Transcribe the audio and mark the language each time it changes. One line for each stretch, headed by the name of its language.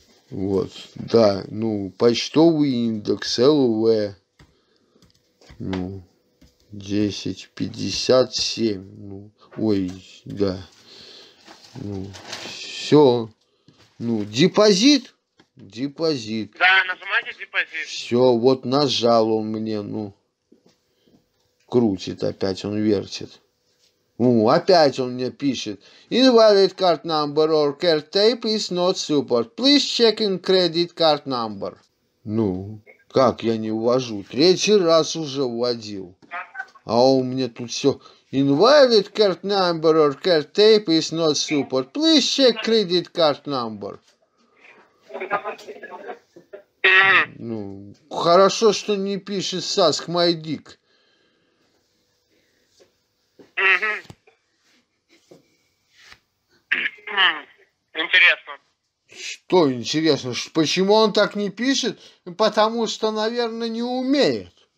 Russian: Вот, да, ну, почтовый индекс ЛВ, ну, 10,57, ну, ой, да, ну, все, ну, депозит, депозит, Да, нажимайте депозит. все, вот нажал он мне, ну, крутит опять, он вертит. Опять он мне пишет.
English: Invalid card number or card type is not support. Please check in credit card number.
Russian: Ну, как я не ввожу? Третий раз уже вводил. А у меня тут все.
English: Invalid card number or card type is not support. Please check credit card number.
Russian: Ну, хорошо, что не пишет
English: Sask my dick.
Russian: Интересно. Что интересно, почему он так не пишет? Потому что, наверное, не умеет